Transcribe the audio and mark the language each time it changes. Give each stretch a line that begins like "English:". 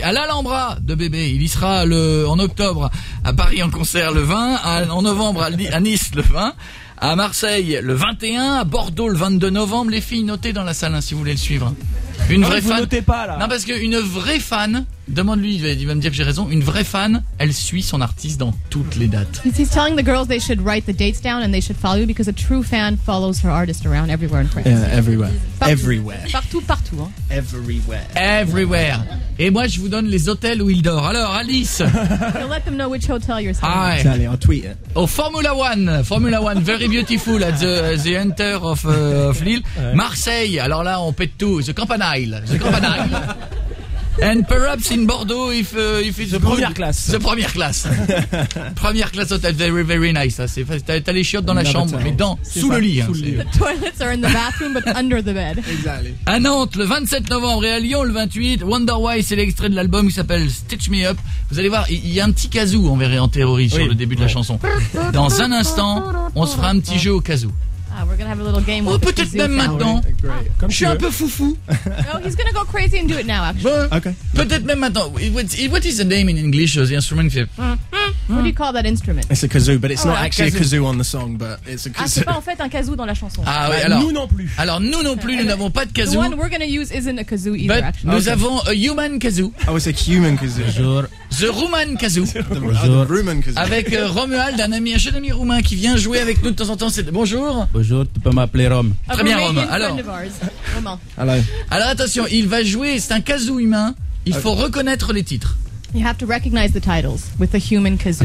French: À l'Alhambra de bébé, il y sera en octobre à Paris en concert le 20, en novembre à Nice le 20, à Marseille le 21, à Bordeaux le 22 novembre. Les filles, notez dans la salle, hein, si vous voulez le suivre. Non, parce qu'une vraie fan, demande-lui, il va me dire que j'ai raison, une vraie fan, elle suit son artiste dans toutes les dates.
English: He's telling the girls they should write the dates down and they should follow you because a true fan follows her artist around everywhere in France. Yeah, everywhere. Everywhere.
French: Partout, hein.
English: Everywhere.
French: Et moi, je vous donne les hôtels où il dort. Alors, Alice.
English: You'll let them know which hotel you're staying at. Exactly, I'll tweet it. Oh, Formula One. Formula One, very beautiful at the enter of Lille.
French: Ouais. Marseille, alors là, on pète tout. The Campanile.
English: And perhaps in Bordeaux, if it's the première classe. The première classe. Première classe hotel, very, very nice.
French: Ça, c'est, t'as les chiottes dans la chambre, mais sous le lit.
English: The toilets are in the bathroom, but under the bed. Exactly.
French: À Nantes, le 27 novembre, et à Lyon, le 28. Wonder Why, c'est l'extrait de l'album qui s'appelle Stitch Me Up. Vous allez voir, il y a un petit kazoo, on verrait en théorie, sur le début de la chanson. Dans un instant, on se fera un petit jeu au kazoo.
English: We're gonna have a little game.
French: Oh, peut-être même maintenant. Je suis un peu foufou.
English: No, he's gonna go crazy and do it now. Actually. Well, okay.
French: Peut-être même maintenant.
English: What is the name in English of the instrument? What do you call that instrument? It's a kazoo, but it's not actually a kazoo on the song, but it's a kazoo.
French: Ah, c'est pas en fait un kazoo dans la chanson. Ah oui. Alors nous non plus. Alors nous non plus, nous n'avons pas de kazoo.
English: The one we're gonna use isn't a kazoo either. But actually,
French: nous avons
English: a human kazoo. Oh, it's a human kazoo.
French: Bonjour.
English: The Roman kazoo. The Roman kazoo.
French: Avec Romuald, un jeune ami roumain qui vient jouer avec nous de temps en temps. Bonjour. Bonjour, tu peux m'appeler Rome. Très bien, Rome. Alors. Alors attention, il va jouer, c'est un kazoo humain. Il faut reconnaître les titres.
English: You have to recognize the titles with the human kazoo.